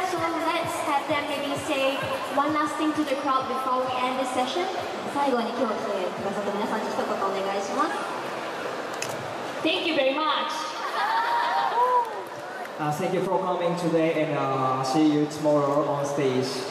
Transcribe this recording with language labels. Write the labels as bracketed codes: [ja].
[en] So let's have them maybe say one last thing to the crowd before we end this session. [ja] 最後に今日来てくださった皆さんに一言お願いします。 [en] Thank you very much. Thank you for coming today and see you tomorrow on stage.